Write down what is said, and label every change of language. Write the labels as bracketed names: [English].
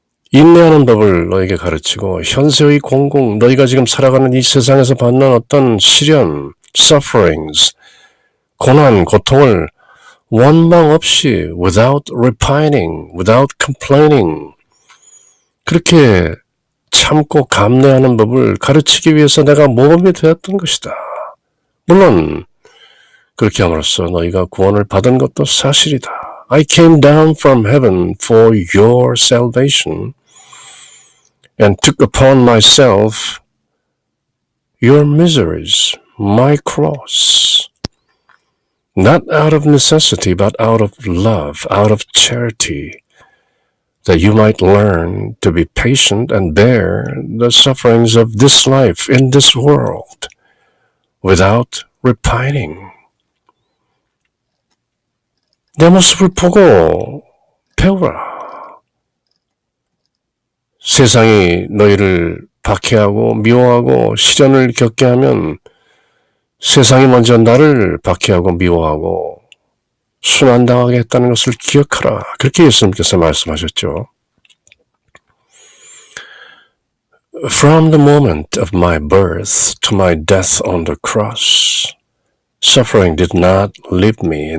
[Korean] 인내하는 법을 너에게 가르치고 현세의 공공, 너희가 지금 살아가는 이 세상에서 받는 어떤 시련, sufferings, 고난, 고통을 원망 없이 [English] without repining, without complaining [Korean] 그렇게 참고 감내하는 법을 가르치기 위해서 내가 모범이 되었던 것이다. 물론 그렇게 함으로써 너희가 구원을 받은 것도 사실이다. [English] I came down from heaven for your salvation. And took upon myself your miseries, my cross. Not out of necessity, but out of love, out of charity, that you might learn to be patient and bear the sufferings of this life in this world without repining. [Korean] 내 모습을 보고 배우라. 세상이 너희를 박해하고 미워하고 시련을 겪게 하면 세상이 먼저 나를 박해하고 미워하고 순환당하게 했다는 것을 기억하라. 그렇게 예수님께서 말씀하셨죠. [English] From the moment of my birth to my death on the cross, suffering did not leave me.